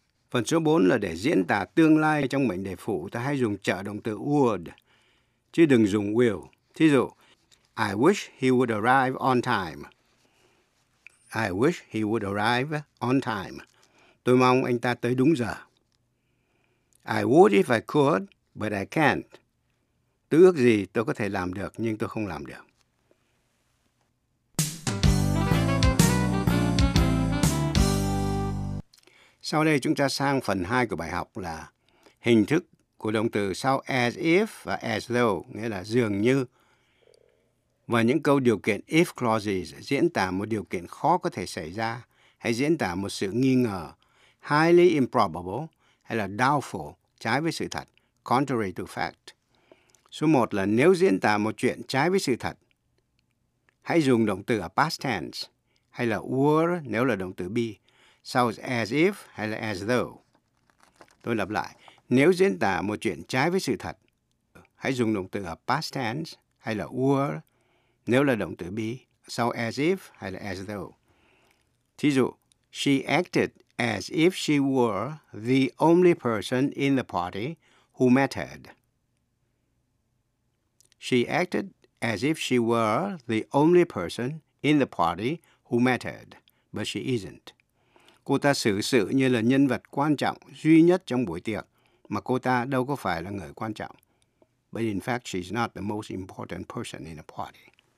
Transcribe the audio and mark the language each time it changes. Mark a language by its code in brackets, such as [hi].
[vi] Phần số 4 là để diễn tả tương lai trong mệnh đề phụ ta hay dùng trợ động từ would chứ đừng dùng will. Thí dụ [en] I wish he would arrive on time. I wish he would arrive on time. [vi] Tôi mong anh ta tới đúng giờ. [en] I would if I could, but I can't. [vi] Tôi ước gì tôi có thể làm được, nhưng tôi không làm được. Sau đây chúng ta sang phần 2 của bài học là hình thức của động từ sau as if và as though, nghĩa là dường như. Và những câu điều kiện if clauses diễn tả một điều kiện khó có thể xảy ra hay diễn tả một sự nghi ngờ, [en] highly improbable [vi] hay là doubtful, trái với sự thật, [en] contrary to fact. [vi] Số 1 là nếu diễn tả một chuyện trái với sự thật, hãy dùng động từ ở past tense hay là were nếu là động từ be, sau as if hay là as though. Tôi lặp lại, nếu diễn tả một chuyện trái với sự thật, hãy dùng động từ ở past tense hay là were nếu là động từ be, sau as if hay là as though. Thí dụ, [en] she acted as if she were the only person in the party who mattered. She acted as if she were the only person in the party who mattered, but she isn't. [vi] Cô ta xử sự như là nhân vật quan trọng duy nhất trong buổi tiệc, mà cô ta đâu có phải là người quan trọng. [en] But in fact, she's not the most important person in the party.